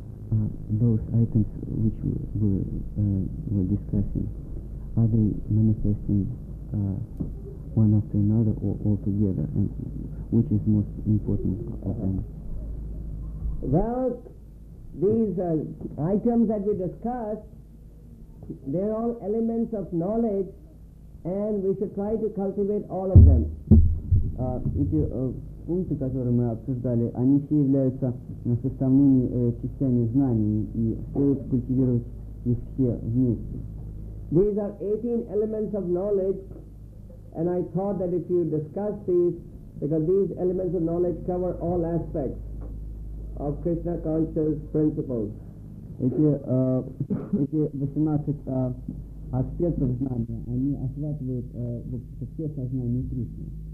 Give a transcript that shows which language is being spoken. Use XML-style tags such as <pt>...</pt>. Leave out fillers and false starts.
<en>Those items which were discussing, are they manifesting one after another or all together, and which is most important of them? Well, these items that we discussed, they're all elements of knowledge, and we should try to cultivate all of them.</en> <ru>Эти пункты, которые мы обсуждали, они все являются составными частями знаний, и следует культивировать их все вместе.</ru> <en>These are 18 elements of knowledge, and I thought that if you discuss these, because these elements of knowledge cover all aspects of Krishna conscious principles.</en> <ru>Эти 18 аспектов знания, они охватывают все сознания Кришны.</ru>